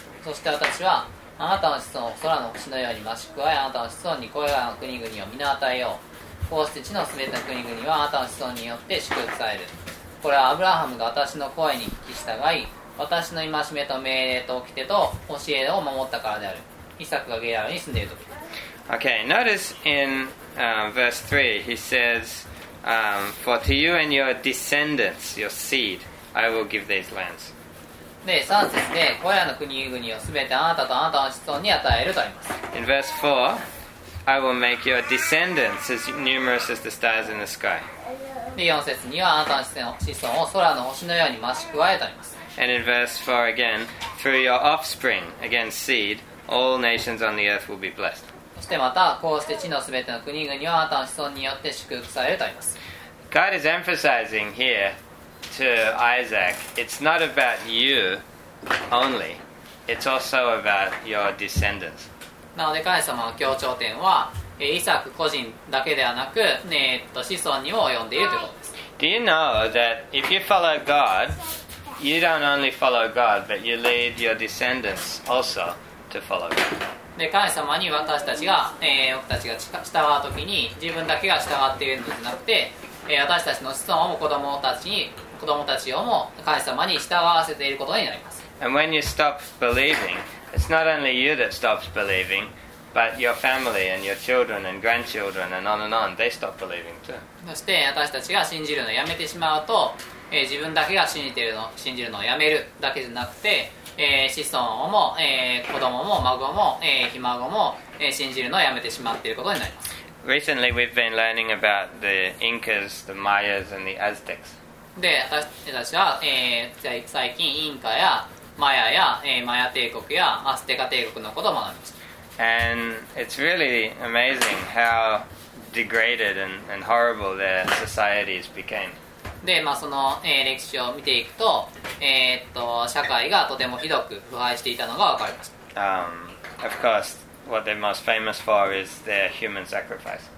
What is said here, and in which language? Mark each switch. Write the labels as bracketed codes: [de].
[ja] そして私はあなたの子孫を空の星のように増し加え、あなたの子孫にこれらの国々を皆与えよう。こうして地のすべての国々はあなたの子孫によって祝福される。これはアブラハムが私の声に聞き従い、私の戒めと命令と掟と教えを守ったからである。イサクがゲラルに住んでいるとき。 [en] Okay, notice in verse 3 he says for to you and your descendants, your seedI will give these lands. [ja] で、3節で、これらの国々をすべてあなたとあなたの子孫に与えるとあります。 [en] In verse 4, I will make your descendants as numerous as the stars in the sky. [ja] で、4節には、あなたの子孫を空の星のように増し加えとあります。 [en] And in verse 4 again, through your offspring, again seed, all nations on the earth will be blessed. [ja] そしてまた、こうして地のすべての国々はあなたの子孫によって祝福されるとあります。 [en] God is emphasizing here,To Isaac, it's not about you only, it's also about your descendants. [ja] なので神様の強調点は、イサク個人だけではなく、子孫にも及んでいるということです。 [en] Do you know that if you follow God, you don't only follow God, but you lead your descendants also to follow God? [ja] で神様に私たちが、僕たちが従うときに、自分だけが従っているのではなくて、私たちの子孫も子供たちに子供たちをも神様に従わせていることになります。 [en] And when you stop believing, it's not only you that stops believing, but your family and your children and grandchildren and on and on, they stop believing too. [ja] そして私たちが信じるのをやめてしまうと、自分だけが信じるのをやめるだけじゃなくて、子孫をも、子供も孫も、ひ孫も、信じるのをやめてしまっていることになります。 [en] Recently we've been learning about the Incas, the Mayas and the Aztecs. [ja] で私は、最近インカやマヤ帝国やアステカ帝国のことを学びました。 [en] And it's really amazing how degraded and horrible their societies became. [ja] で、まあ、その、歴史を見ていくと、社会がとてもひどく腐敗していたのがわかります。 [en] Of course, what they're most famous for is their human sacrifice.